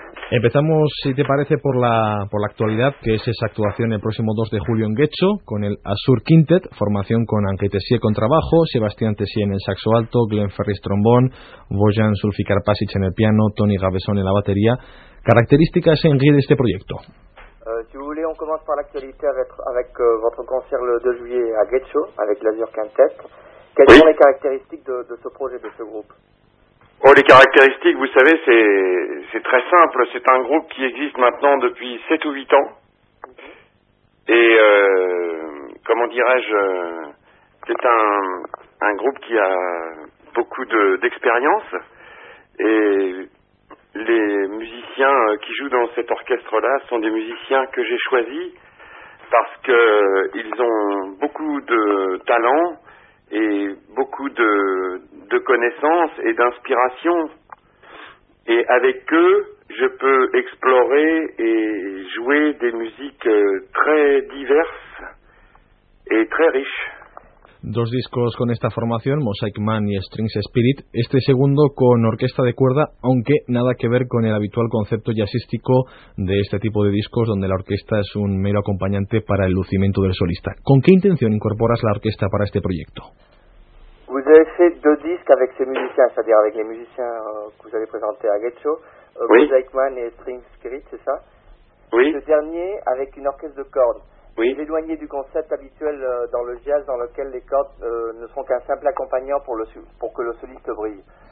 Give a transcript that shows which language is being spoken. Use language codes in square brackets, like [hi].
[es] Empezamos, si te parece, por la actualidad, que es esa actuación el próximo 2 de julio en Guecho, con el Assur Quintet, formación con Henri Tessier con trabajo, Sébastien Tessier en el saxo alto, Glenn Ferris trombón, Bojan Sulfikar Pasic en el piano, Tony Gabesson en la batería. ¿Características en Guecho de este proyecto? [fr] Si vous voulez, on commence par l'actualité avec votre concert le 2 juillet à Guecho, avec l'Assur Quintet. Quelles sont les caractéristiques de ce projet, de ce groupe? Oh, les caractéristiques, vous savez, c'est très simple. C'est un groupe qui existe maintenant depuis 7 ou 8 ans. Et, comment dirais-je, c'est un groupe qui a beaucoup d'expérience. Et les musiciens qui jouent dans cet orchestre-là sont des musiciens que j'ai choisis parce qu'ils ont beaucoup de talent et beaucoup de connaissances et d'inspiration. Et avec eux, je peux explorer et jouer des musiques très diverses et très riches. [es] Dos discos con esta formación, Mosaic Man y Strings Spirit. Este segundo con orquesta de cuerda, aunque nada que ver con el habitual concepto jazzístico de este tipo de discos, donde la orquesta es un mero acompañante para el lucimiento del solista. ¿Con qué intención incorporas la orquesta para este proyecto? [fr] Vous avez fait deux disques avec ces musiciens, c'est-à-dire avec les musiciens que vous avez présentés à Guecho, Mosaic Man et Strings Spirit, c'est ça? Oui. Ce dernier avec une orchestre de cordes. Oui. Vous éloignez du concept habituel dans le jazz dans lequel les cordes ne sont qu'un simple accompagnant pour que le soliste brille.